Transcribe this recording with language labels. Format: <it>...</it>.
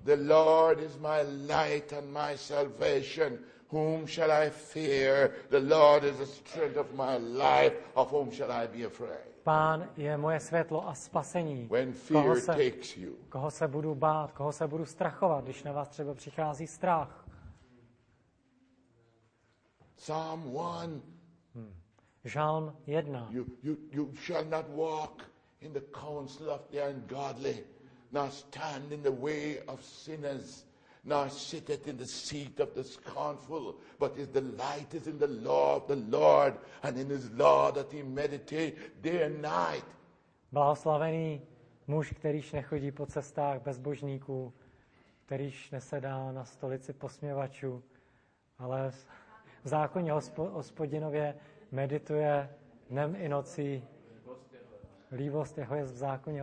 <en>The Lord is my light and my salvation. Whom shall I fear? The Lord is the strength of my life. Of whom shall I be afraid?</en> <cs>Pán je moje světlo a spasení.</cs> <en>When fear takes you.</en> <cs>Koho se budu bát, koho se budu strachovat, když na vás třeba přichází strach?</cs> <en>Psalm 1.</en> <cs>Žalm 1.</cs> <en>You shall not walk in the counsel of the ungodly, nor stand in the way of sinners, nor sit in the seat of the scornful, but his delight is in the law of the Lord, and in his law that he meditate day and night.</en> <cs>Blahoslavený muž, kterýž nechodí po cestách bezbožníků, kterýž nesedá na stolici posměvačů, ale v zákoně Hospodinově medituje dnem i nocí. Lívost jeho je v zákoně</cs>